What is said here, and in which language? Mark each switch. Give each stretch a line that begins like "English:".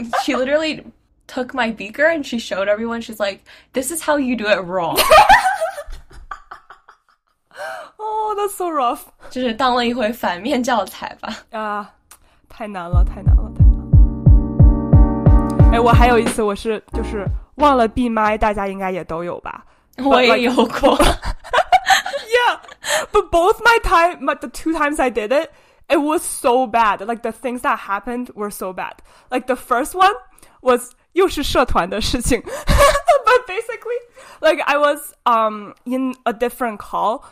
English: She literally took my beaker and she showed everyone. She's like, "This is how you do it wrong." Oh, that's so rough.
Chinese: 就是当了一回反面教材吧。啊、太难了，太难了，太难了。哎，我还有一次，我是就是忘了闭麦，大家应该也都有吧？我也有过。
English: Yeah, but both my time, the two times I did it. It was so bad. Like, the things that happened were so bad. Like, the first one was,
Chinese: 又是社团的事情。
English: But basically, like I was in a different call.